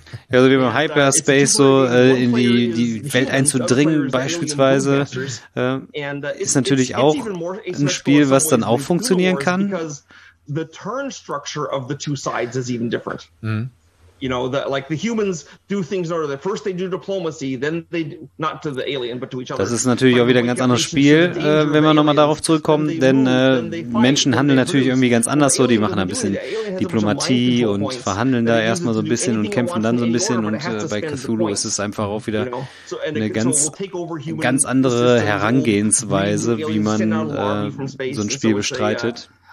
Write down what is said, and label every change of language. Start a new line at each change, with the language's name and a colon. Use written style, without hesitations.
German: Also wie beim Hyperspace so in die Welt einzudringen beispielsweise ist natürlich auch ein Spiel, was dann auch funktionieren kann.
English: The turn structure of the two sides is even different. You know, the humans do things in order. That first they do diplomacy, then they do, not to the alien, but to each other.
German: Das ist natürlich auch wieder ein ganz anderes Spiel, wenn wir nochmal darauf zurückkommen, denn Menschen handeln natürlich irgendwie ganz anders so. Die machen ein bisschen Diplomatie und verhandeln da erstmal so ein bisschen und kämpfen dann so ein bisschen. Und bei Cthulhu ist es einfach auch wieder eine ganz andere Herangehensweise, wie man so ein Spiel bestreitet.